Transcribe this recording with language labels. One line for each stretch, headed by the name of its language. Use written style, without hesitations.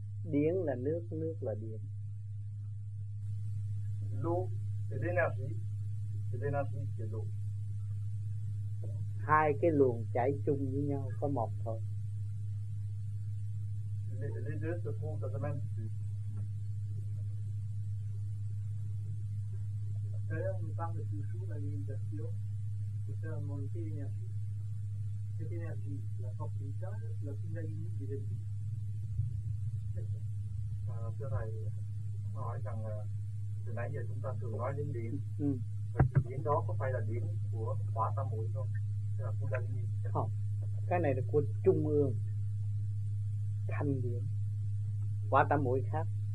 Vietnamese: Điện là nước, nước là điện.
French: L'eau, c'est l'énergie, c'est l'eau. Hai cái luồng chảy chung với nhau, có một thôi. Les deux se trouvent dans le même sens. D'ailleurs, on parle toujours d'alimentation pour faire monter l'énergie. Cette énergie, la force vitale, la finalité des énergies.
Vietnamese: Thưa thầy, hỏi rằng từ nãy giờ chúng ta thường nói đến điện, và cái điện đó có phải là điện của hỏa tam muội không? Tức là Kundalini. Không, cái này là của trung ương thanh điện. Hỏa tam muội khác.